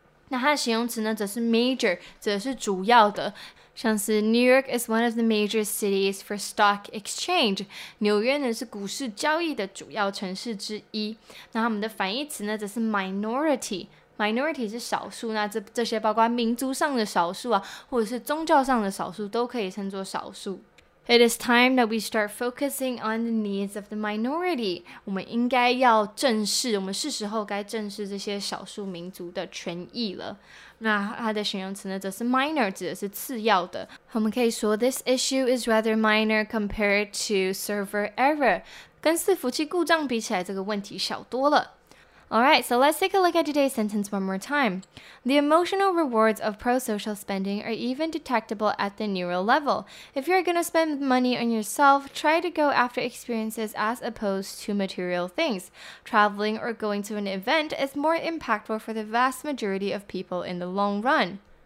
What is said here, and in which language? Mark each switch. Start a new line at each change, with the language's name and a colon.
Chinese: 那它的形容词呢则是 major， 指的是主要的，像是 New York is one of the major cities for stock exchange，纽约呢是股市交易的主要城市之一。那它们的反义词呢则是 minorityminority 是少数，那 这些包括民族上的少数啊，或者是宗教上的少数，都可以称作少数。
English: It is time that we start focusing on the needs of the minority.
Chinese: 我们应该要正视，我们是时候该正视这些少数民族的权益了。那它的形容词呢，则是 minor， 指的是次要的。
English: 我们可以说 this issue is rather minor compared to server error.
Chinese: 跟伺服器故障比起来，这个问题小多了。
English: Alright, so let's take a look at today's sentence one more time. The emotional rewards of pro-social spending are even detectable at the neural level. If you're going to spend money on yourself, try to go after experiences as opposed to material things. Traveling or going to an event is more impactful for the vast majority of people in the long run.